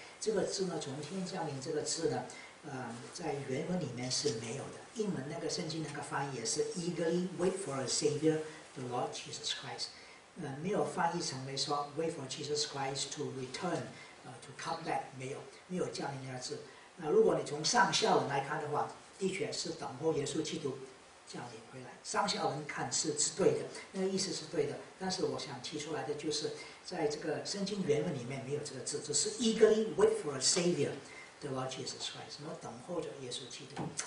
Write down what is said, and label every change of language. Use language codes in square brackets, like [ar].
[zh] 这个字呢，从天降临这个字呢，在原文里面是没有的。英文那个圣经那个翻译也是 [en] eagerly wait for a savior, the Lord Jesus Christ。 [zh] 没有翻译成为说 [en] wait for Jesus Christ to return, to come back, [zh] 没有降临那个字。如果你从上下文来看的话，的确是等候耶稣基督。降临回来，上下文看是对的，那个意思是对的。但是我想提出来的就是，在这个圣经原文里面没有这个字，只是 [en] eagerly wait for a savior, the Lord Jesus Christ， [zh] 什么等候着耶稣基督。